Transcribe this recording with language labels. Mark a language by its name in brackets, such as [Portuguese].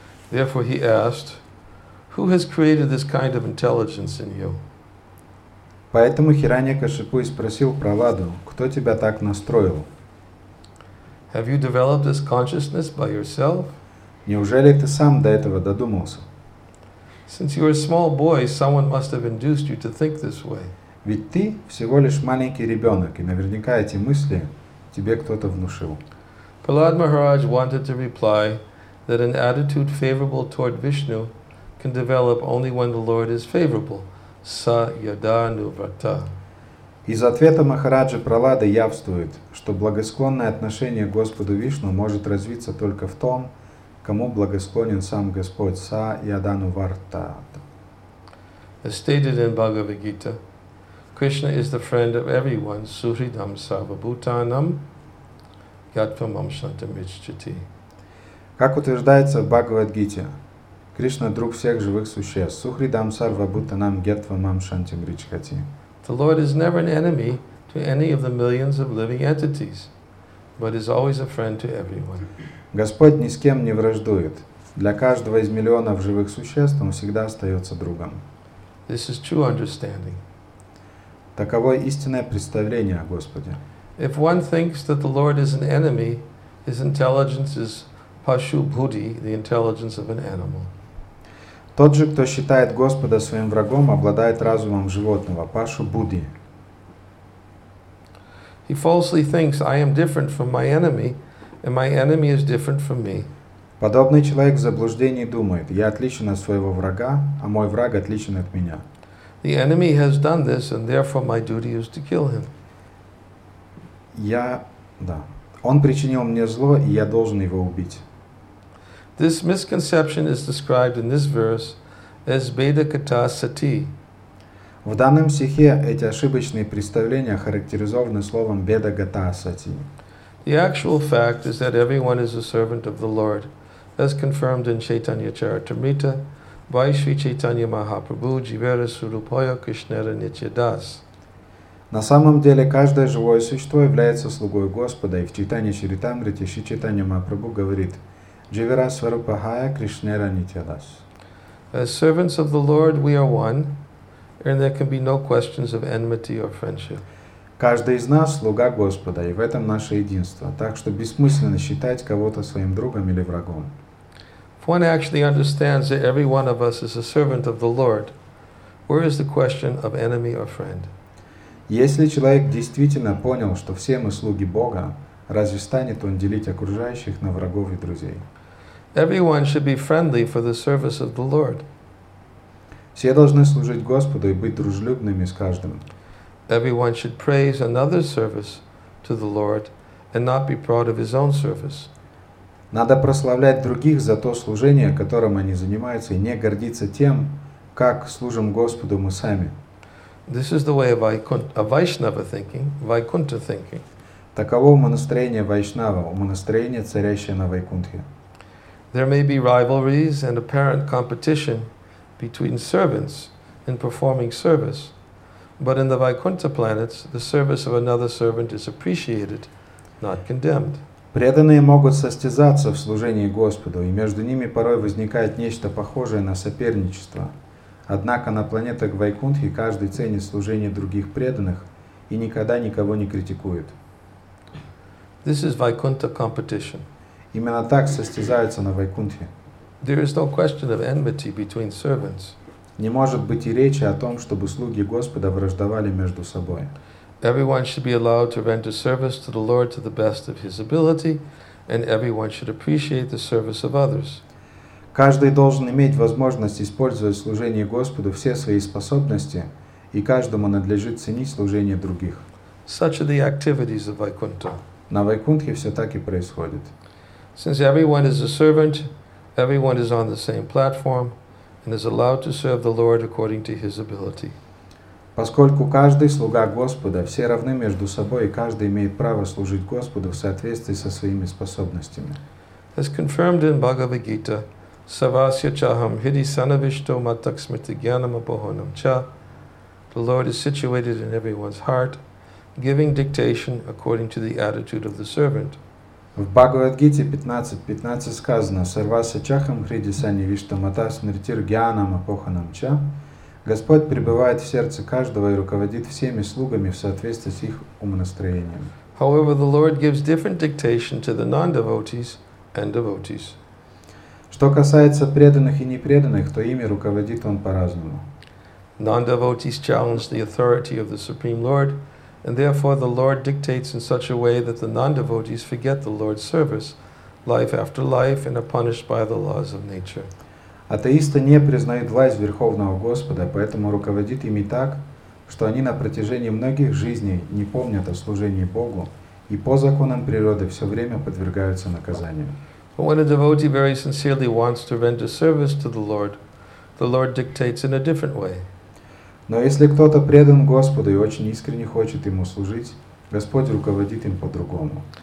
[English] Therefore he asked, who has created this kind of intelligence in you? [Russian] Поэтому Хираньякашипу спросил Прахладу, кто тебя так настроил? [English] Have you developed this consciousness by yourself? [Russian] Неужели ты сам до этого додумался? [English] Since you were a small boy, someone must have induced you to think this way. [Russian] Ведь ты всего лишь маленький ребенок, и наверняка эти мысли тебе кто-то внушил. [English] Prahlad Maharaj wanted to reply that an attitude favorable toward Vishnu can develop only when the Lord is favorable. [Sanskrit] Sa yada nuvrata. [Russian] Из ответа Махараджи Пралады явствует, что благосклонное отношение к Господу Вишну может развиться только в том, кому благосклонен сам Господь. [Sanskrit] Sa yada nuvrata. [English] As stated in Bhagavad Gita, Krishna is the friend of everyone. [Sanskrit] Suhridam sarvabhutanam yatvamam shantamichchati. [Russian] Как утверждается в Бхагавад-гите, Кришна — друг всех живых существ. [Sanskrit] Сухридам сарва бутанам гетвамам шантим ричхати. [English] The Lord is never an enemy to any of the millions of living entities, but is always a friend to everyone. [Russian] Господь ни с кем не враждует. Для каждого из миллионов живых существ Он всегда остается другом. [English] This is true understanding. [Russian] Таково истинное представление о Господе. [English] If one thinks that the Lord is an enemy, his intelligence is Pashu Bhuti, the intelligence of an animal. [Russian] Тот же, кто считает Господа своим врагом, обладает разумом животного, Пашу Буди. [English] He falsely thinks I am different from my enemy, and my enemy is different from me. [Russian] Подобный человек в заблуждении думает: я отличен от своего врага, а мой враг отличен от меня. [English] The enemy has done this, and therefore my duty is to kill him. [Russian] Он причинил мне зло, и я должен его убить. [English] This misconception is described in this verse as Beda Kata Sati. [Russian] В данном стихе эти ошибочные представления характеризованы словом Беда Гата Сати. [English] The actual fact is that everyone is a servant of the Lord, as confirmed in Chaitanya Charitamrita by Sri Chaitanya Mahaprabhu [Bangla] Jivera Surupaya Krishnara Nityadas. [Russian] На самом деле, каждое живое существо является слугой Господа, и в Чайтанья Чаритамрите Шри Чайтанья Махапрабху говорит: [Bangla] Jivara Svarupahaya Krishnera Nityadas. [English] As servants of the Lord, we are one, and there can be no questions of enmity or friendship. [Russian] Каждый из нас — слуга Господа, и в этом наше единство, так что бессмысленно считать кого-то своим другом или врагом. [English] If one actually understands that every one of us is a servant of the Lord, where is the question of enemy or friend? [Russian] Если человек действительно понял, что все мы слуги Бога, разве станет он делить окружающих на врагов и друзей? [English] Everyone should be friendly for the service of the Lord. [Russian] Все должны служить Господу и быть дружелюбными с каждым. [English] Everyone should praise another's service to the Lord and not be proud of his own service. [Russian] Надо прославлять других за то служение, которым они занимаются, и не гордиться тем, как служим Господу мы сами. [English] This is the way of Vaishnava thinking, Vaikuntha thinking. [Russian] Таково умонастроение Вайшнава, умонастроение, царящее на Вайкунтхе. [English] There may be rivalries and apparent competition between servants in performing service, but in the Vaikuntha planets, the service of another servant is appreciated, not condemned. [Russian] Преданные могут состязаться в служении Господу, и между ними порой возникает нечто похожее на соперничество. Однако на планетах Вайкунтхи каждый ценит служение других преданных и никогда никого не критикует. [English] This is Vaikuntha competition. [Russian] Именно так состязаются на Вайкунтхе. [English] There is no question of enmity between servants. [Russian] Не может быть и речи о том, чтобы слуги Господа враждовали между собой. [English] Everyone should be allowed to render service to the Lord to the best of his ability, and everyone should appreciate the service of others. [Russian] Каждый должен иметь возможность использовать служение Господу все свои способности, и каждому надлежит ценить служение других. [English] Such are the activities of Vaikuntha. [Russian] На Вайкунтхе все так и происходит. [English] Since everyone is a servant, everyone is on the same platform and is allowed to serve the Lord according to his ability. [Russian] Поскольку каждый слуга Господа, все равны между собой, и каждый имеет право служить Господу в соответствии со своими способностями. [English] As confirmed in Bhagavad Gita, [Sanskrit] Savasya Chaham Hidi Sanavishto Matak Smriti Gyanam Apohonam Cha, [English] the Lord is situated in everyone's heart, giving dictation according to the attitude of the servant. [Russian] В Бхагавад Гите 15.15 сказано [Sanskrit] «Сарваса чахам хридисани вишта мата смиртир гьянам апоханам ча». [Russian] Господь пребывает в сердце каждого и руководит всеми слугами в соответствии с их умонастроением. [English] However, the Lord gives different dictation to the non-devotees and devotees. [Russian] Что касается преданных и непреданных, то ими руководит он по-разному. [English] Non-devotees challenge the authority of the Supreme Lord, and therefore the Lord dictates in such a way that the non-devotees forget the Lord's service, life after life, and are punished by the laws of nature. [Russian] Атеисты не признают власть Верховного Господа, поэтому руководит ими так, что они на протяжении многих жизней не помнят о служении Богу и по законам природы все время подвергаются наказаниям. [English] But when a devotee very sincerely wants to render service to the Lord dictates in a different way. [Russian] Но если кто-то предан Господу и очень искренне хочет Ему служить, Господь руководит им по-другому.